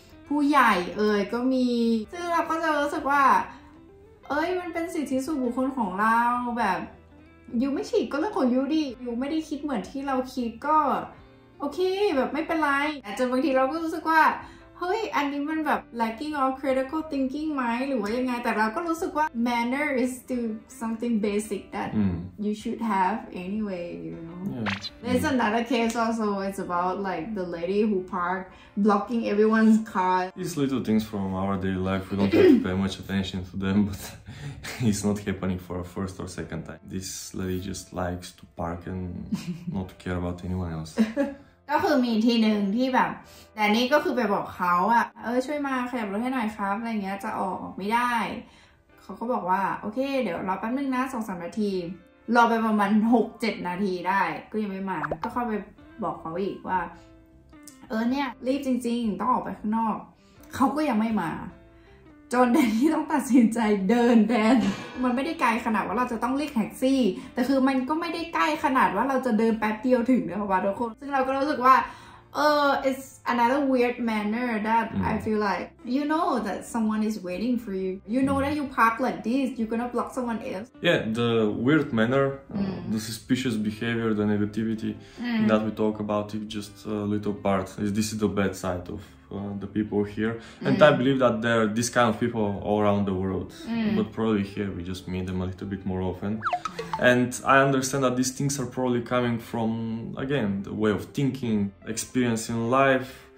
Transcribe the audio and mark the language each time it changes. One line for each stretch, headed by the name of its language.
Thai: ผู้ใหญ่เอ่ยก็มีซึ่งเราก็จะรู้สึกว่าเอ้ยมันเป็นสิทธิส่วนบุคคลของเราแบบอยู่ไม่ฉีดก็เรื่องของยูดีอยู่ไม่ได้คิดเหมือนที่เราคิดก็โอเคแบบไม่เป็นไรแต่จนบางทีเราก็รู้สึกว่าเฮ้ยอันนี้มันแบบ
English: lacking of critical thinking
Thai: ไหมหรือว่ายังไงแต่เราก็รู้สึกว่า
English: manner is to something basic that you should have anyway you know yeah. There's another case also it's about like the lady who parked blocking everyone's car. These little things from our daily life we don't have to pay much attention to them but it's not happening for a first or second time. This lady just likes to park and not care about anyone else.
Thai: ก็คือมีทีนึงที่แบบแต่นี่ก็คือไปบอกเขาอะเออช่วยมาขยับรถให้หน่อยครับอะไรเงี้ยจะออกไม่ได้เขาก็บอกว่าโอเคเดี๋ยวรอแป๊บนึงนะ 2-3 นาทีรอไปประมาณ 6-7 นาทีได้ก็ยังไม่มาก็เข้าไปบอกเขาอีกว่า เออเนี่ยรีบจริงๆต้องออกไปข้างนอกเขาก็ยังไม่มาจนแดนนี่ต้องตัดสินใจเดินแดนมันไม่ได้ไกลขนาดว่าเราจะต้องเรียกแท็กซี่แต่คือมันก็ไม่ได้ใกล้ขนาดว่าเราจะเดินแป๊บเดียวถึงนะคะทุกคนซึ่งเราก็รู้สึกว่าเออ
English: it's another weird manner that I feel like you know that someone is waiting for you you know that you park like this you're gonna block someone else yeah the weird manner the suspicious behavior the negativity that we talk about is just a little part is this is the bad side ofthe people here and I believe that there are this kind of people all around the world but probably here we just meet them a little bit more often and I understand that these things are probably coming from again the way of thinking experience in life